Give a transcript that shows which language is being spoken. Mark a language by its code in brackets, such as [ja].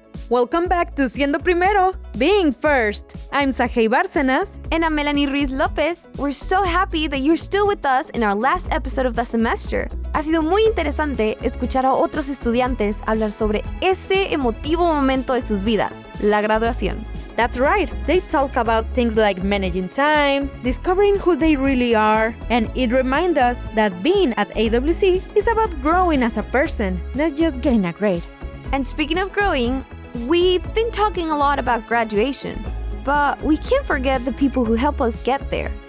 [en] Welcome back to Siendo Primero, Being First. I'm Sahei Barcenas. And I'm Melanie Ruiz López. We're so happy that you're still with us in our last episode of the semester. [es] Ha sido muy interesante escuchar a otros estudiantes hablar sobre ese emotivo momento de sus vidas, la graduación. [en] That's right. They talk about things like managing time, discovering who they really are, and it reminds us that being at AWC is about growing as a person, not just getting a grade. And speaking of growing, we've been talking a lot about graduation, but we can't forget the people who help us get there.